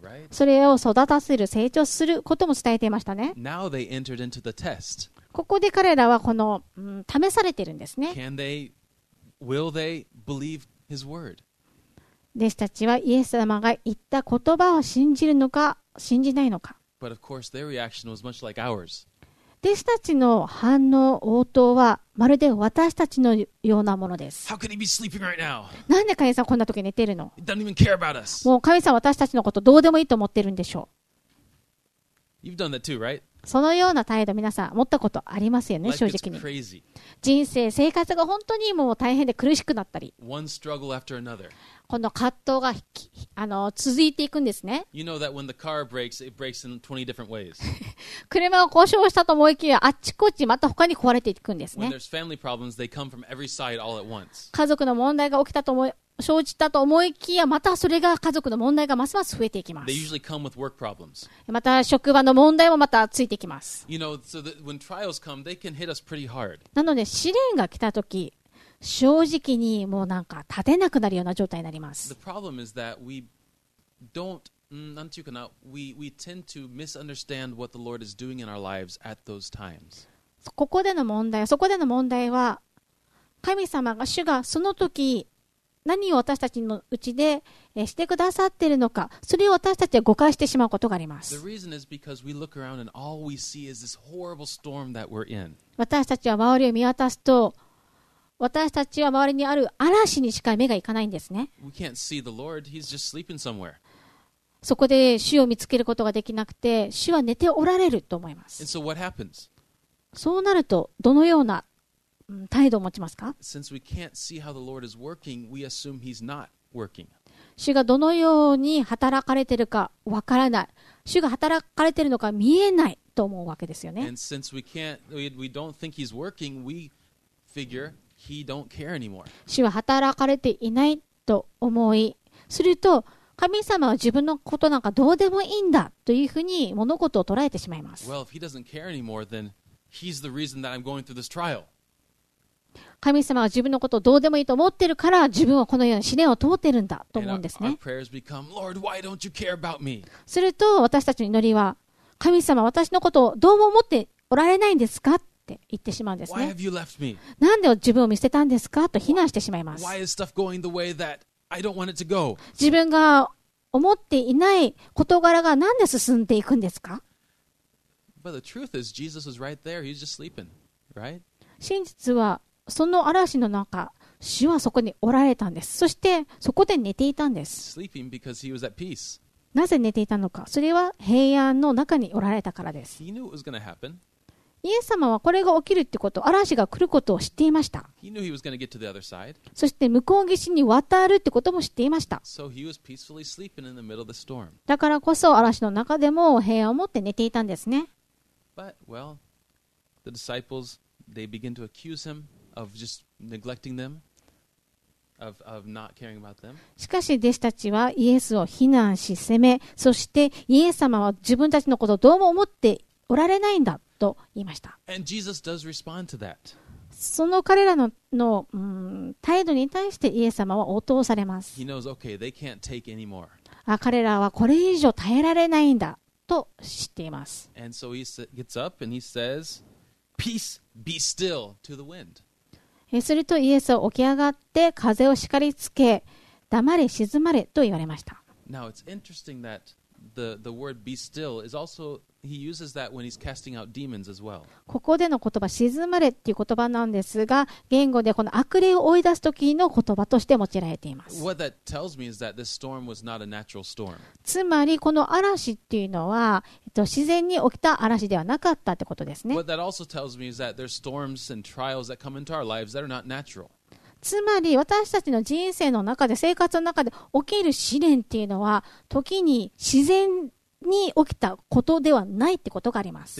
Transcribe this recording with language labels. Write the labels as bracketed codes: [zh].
[ja] それを育たせる成長することも伝えていましたね。ここで彼らはこの、試されているんですね。 [en] Can they, will they believe his word? [ja] 弟子たちはイエス様が言った言葉を信じるのか信じないのか。 [en] But of course, their reaction was much like ours. [ja] 弟子たちの反応応答はまるで私たちのようなものです。 [en] How can he be sleeping right now? [ja] なんで神様こんな時寝てるの。 [en] He doesn't even care about us. [ja] もう神様私たちのことどうでもいいと思ってるんでしょう。 [en] You've done that too, right? [ja] そのような態度皆さん持ったことありますよね、正直に。人生、生活が本当にもう大変で苦しくなったり、この葛藤が続いていくんですね。 [en] You know that when the car breaks, it breaks in 20 different ways. [ja] 車が故障したと思いきや、あっちこっちまた他に壊れていくんですね。 [en] When there's family problems, they come from every side all at once. [ja] 家族の問題が起きたと思い、生じたと思いきや、またそれが家族の問題がますます増えていきます。 [en] They usually come with work problems. [ja] また職場の問題もまたついてきます。 [en] You know, so that when trials come, they can hit us pretty hard. [ja] なので試練が来たとき、正直にもうなんか立てなくなるような状態になります。 [en] The problem is that we don't, [ja] なんていうかな、 [en] we tend to misunderstand what the Lord is doing in our lives at those times. [ja] ここでの問題、そこでの問題は、神様が、主がその時何を私たちのうちでしてくださっているのか、それを私たちは誤解してしまうことがあります。私たちは周りを見渡すと、私たちは周りにある嵐にしか目がいかないんですね。 [en] We can't see the Lord. He's just sleeping somewhere. [ja] そこで主を見つけることができなくて、主は寝ておられると思います。 [en] And so what happens? [ja] そうなるとどのような態度を持ちますか。 [en] Since we can't see how the Lord is working, we assume he's not working. [ja] 主がどのように働かれているかわからない、主が働かれているのか見えないと思うわけですよね。 [en] And since we don't think he's working, we figure he don't care anymore. [ja] 主は働かれていないと思い、すると神様は自分のことなんかどうでもいいんだというふうに物事を捉えてしまいます。 [en] Well, if he doesn't care anymore, then he's the reason that I'm going through this trial. [ja] 神様は自分のことをどうでもいいと思ってるから自分はこのような試練を通ってるんだと思うんですね。 [en] And our prayers become, Lord, why don't you care about me? [ja] すると私たちの祈りは、神様、私のことをどうも思っておられないんですか、って言ってしまうんですね。 [en] Why have you left me? [ja] なんで自分を見捨てたんですか、と非難してしまいます。 [en] Why is stuff going the way that I don't want it to go? [ja] 自分が思っていない事柄がなんで進んでいくんですか。 [en] But the truth is, Jesus is right there. He's just sleeping, right? [ja] 真実はその嵐の中、主はそこにおられたんです。そしてそこで寝ていたんです。 [en] Sleeping because he was at peace. [ja] なぜ寝ていたのか、それは平安の中におられたからです。 [en] He knew it was going to happen. [ja] イエス様はこれが起きるってこと、嵐が来ることを知っていました。 [en] He knew he was going to get to the other side. [ja] そして向こう岸に渡るってことも知っていました。 [en] So he was peacefully sleeping in the middle of the storm. [ja] だからこそ嵐の中でも平安を持って寝ていたんですね。 [en] But, well, the disciples, they begin to accuse him of just neglecting them, of not caring about them. [ja] しかし弟子たちはイエスを非難し責め、そしてイエス様は自分たちのことをどうも思っておられないんだと言いました。 [en] And Jesus does respond to that. [ja] その彼らの態度に対してイエス様は応答されます。 [en] He knows, okay, they can't take anymore. [ja] 彼らはこれ以上耐えられないんだと知っています。 [en] And so he gets up and he says, Peace, be still to the wind. [ja] するとイエスは起き上がって風を叱りつけ、黙れ静まれと言われました。 [en] Now it's interesting thatThe word be still is also he uses that when he's casting out demons as well. [ja] ここでの言葉、静まれっていう言葉なんですが、言語でこの悪霊を追い出す時の言葉として用いられています。 [en] What that tells me is that this storm was not a natural storm. [ja] つまりこの嵐っていうのは自然に起きた嵐ではなかったってことですね。 [en] What that also tells me is that there's storms and trials that come into our lives that are not natural. [ja] つまり私たちの人生の中で、生活の中で起きる試練っていうのは、時に自然に起きたことではないってことがあります。